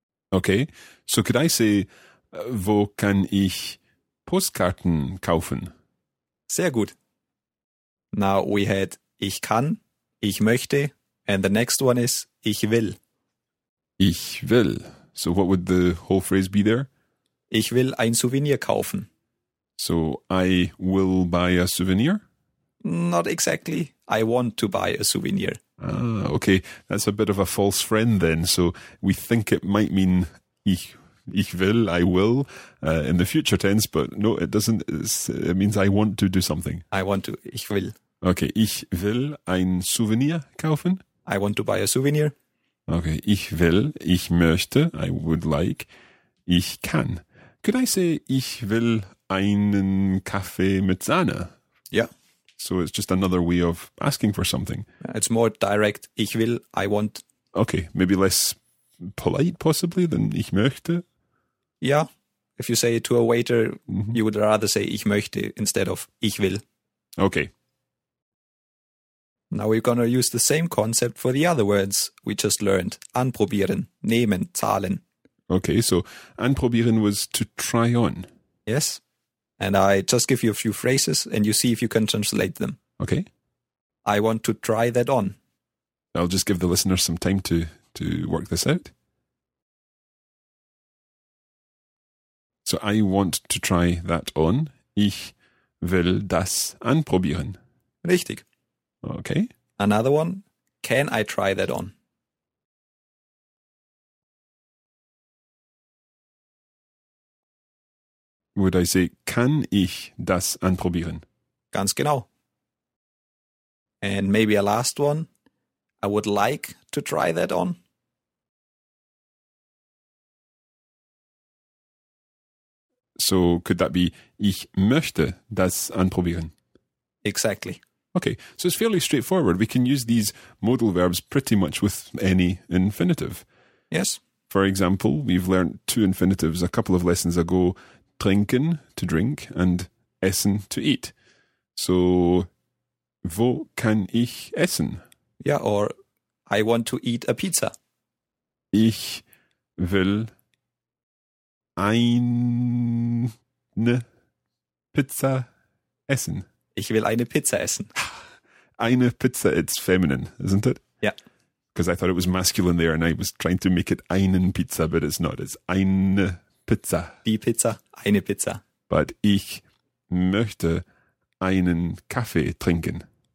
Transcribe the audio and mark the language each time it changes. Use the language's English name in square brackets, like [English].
[English] Okay, so could I say, [German] wo kann ich Postkarten kaufen? Sehr gut. [English] Now we had [German] ich kann, ich möchte, [English] and the next one is [German] ich will. Ich will. [English] So what would the whole phrase be there? [German] Ich will ein Souvenir kaufen. [English] So I will buy a souvenir? Not exactly. I want to buy a souvenir. Ah, okay. That's a bit of a false friend then. So we think it might mean [German] ich will, [English] I will, in the future tense, but no, it doesn't. It means I want to do something. I want to. [German] Ich will. [English] Okay. [German] Ich will ein Souvenir kaufen. [English] I want to buy a souvenir. Okay. [German] Ich will, ich möchte, [English] I would like, [German] ich kann. [English] Could I say [German] ich will einen Kaffee mit Sahne? [English] Yeah. So it's just another way of asking for something. It's more direct. [German] Ich will, [English] I want. Okay, maybe less polite possibly than [German] ich möchte. [English] Yeah, if you say it to a waiter, mm-hmm. you would rather say [German] ich möchte [English] instead of [German] ich will. [English] Okay. Now we're going to use the same concept for the other words we just learned. [German] Anprobieren, nehmen, zahlen. [English] Okay, so anprobieren was to try on. Yes. And I just give you a few phrases and you see if you can translate them. Okay. I want to try that on. I'll just give the listeners some time to work this out. So I want to try that on. [German] Ich will das anprobieren. Richtig. [English] Okay. Another one. Can I try that on? Would I say, [German] kann ich das anprobieren? Ganz genau. [English] And maybe a last one. I would like to try that on. So could that be, [German] ich möchte das anprobieren? [English] Exactly. Okay, so it's fairly straightforward. We can use these modal verbs pretty much with any infinitive. Yes. For example, we've learned two infinitives a couple of lessons ago. Trinken, to drink, and essen, to eat. [German] So, wo kann ich essen? [English] Yeah, or I want to eat a pizza. [German] Ich will eine Pizza essen. Ich will eine Pizza essen. Eine Pizza, [English] it's feminine, isn't it? Yeah. Because I thought it was masculine there and I was trying to make it [German] einen Pizza, [English] but it's not. It's [German] eine Pizza. Die Pizza, eine Pizza. But ich möchte einen Kaffee trinken.